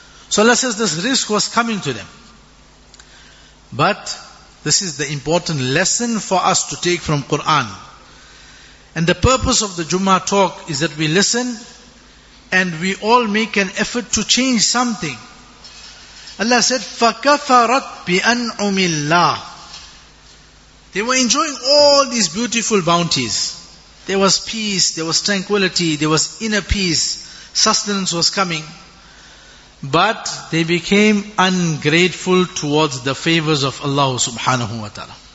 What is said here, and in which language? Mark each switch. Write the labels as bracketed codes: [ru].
[en] So Allah says this risk was coming to them. But this is the important lesson for us to take from Quran. And the purpose of the Jummah talk is that we listen and we all make an effort to change something. Allah said, [ar] فَكَفَرَتْ بِأَنْعُمِ اللَّهِ. [en] They were enjoying all these beautiful bounties. There was peace, there was tranquility, there was inner peace, sustenance was coming. But they became ungrateful towards the favors of Allah subhanahu wa ta'ala.